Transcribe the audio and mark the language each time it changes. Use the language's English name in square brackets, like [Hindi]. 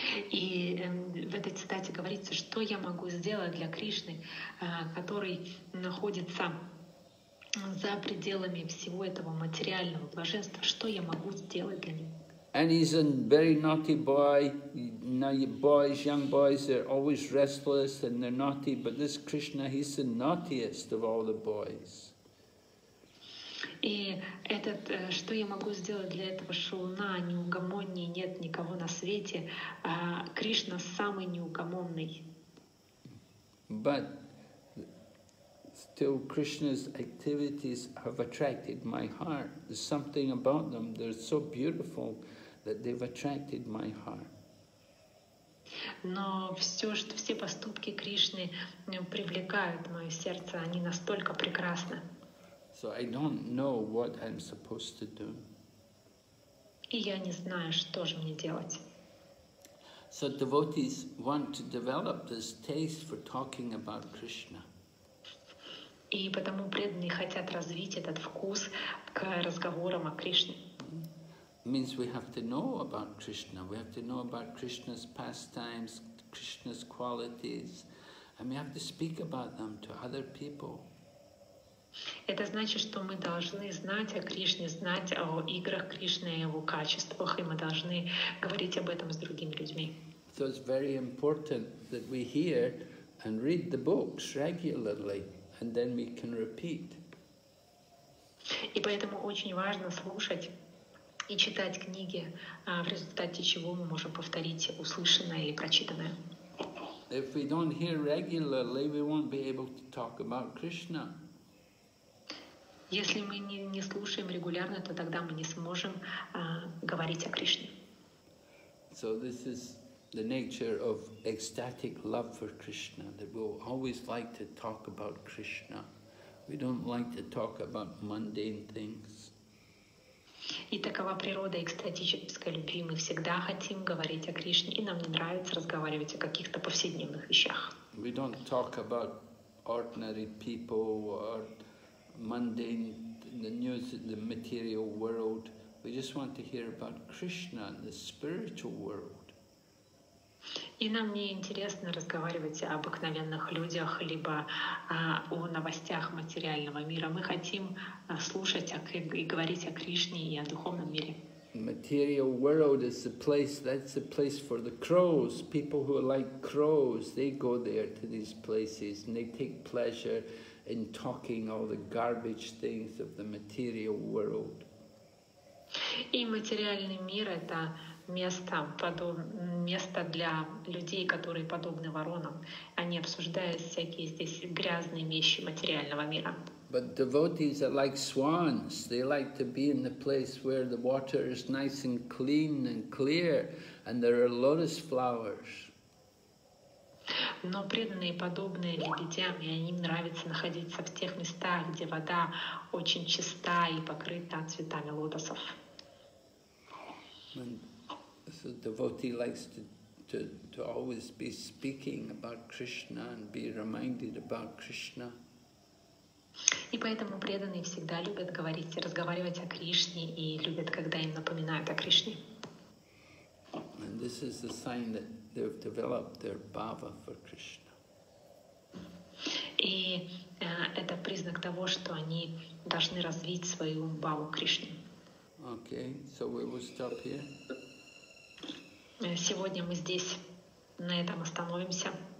[Russian] И в этой цитате говорится, что я могу сделать для Кришны, который находится за пределами всего этого материального блаженства, что я могу сделать для него? [English] And he's a very naughty boy. Now boys, young boys, they're always restless and they're naughty, but this Krishna, he's the naughtiest of all the boys. [Russian] И этот, что я могу сделать для этого шелуна, неугомонней, нет никого на свете, а Кришна самый неугомонный. [English] But still Krishna's activities have attracted my heart. There's something about them, they're so beautiful that they've attracted my heart. [Russian] Но все поступки Кришны привлекают мое сердце, они настолько прекрасны. [English] So I don't know what I'm supposed to do. [Russian] И я не знаю, что же мне делать. [English] So devotees want to develop this taste for talking about Krishna. [Russian] И потому преданные хотят развить этот вкус к разговорам о Кришне. [English] Means we have to know about Krishna. We have to know about Krishna's pastimes, Krishna's qualities, and we have to speak about them to other people. [Russian] Это значит, что мы должны знать о Кришне, знать о играх Кришны, о его качествах, и мы должны говорить об этом с другими людьми. [English] So it's very important that we hear and read the books regularly, and then we can repeat. [Russian] И поэтому очень важно слушать и читать книги, в результате чего мы можем повторить услышанное или прочитанное. [English] If we don't hear regularly, we won't be able to talk about Krishna. [Russian] Если мы не слушаем регулярно, то тогда мы не сможем говорить о Кришне. [English] So this is the nature of ecstatic love for Krishna, that we'll always like to talk about Krishna. We don't like to talk about mundane things. [Russian] И такова природа экстатической любви. Мы всегда хотим говорить о Кришне, и нам не нравится разговаривать о каких-то повседневных вещах. [English] We don't talk about ordinary people or mundane, the news, the material world. We just want to hear about Krishna and the spiritual world. [Russian] И нам не интересно разговаривать об обыкновенных людях либо о новостях материального мира. Мы хотим слушать и говорить о Кришне и о духовном мире. [English] Material world is the place. That's the place for the crows. People who like crows, they go there to these places and they take pleasure in talking all the garbage things of the material world. [Russian] И материальный мир — это место для людей, которые подобны воронам. Они обсуждают всякие здесь грязные вещи материального мира. [English] But devotees are like swans. They like to be in the place where the water is nice and clean and clear, and there are lotus flowers. [Russian] Но преданные подобные лебедям, и им нравится находиться в тех местах, где вода очень чиста и покрыта цветами лотосов. [English] So devotee likes to always be speaking about Krishna and be reminded about Krishna. [Russian] И поэтому преданные всегда любят говорить и разговаривать о Кришне и любят, когда им напоминают о Кришне. [English] And this is the sign that they've developed their bhava for Krishna. [Russian] И это признак того, что они должны развить свою бхаву Кришне. [English] Okay, so we will stop here. [Russian] Сегодня мы здесь на этом остановимся.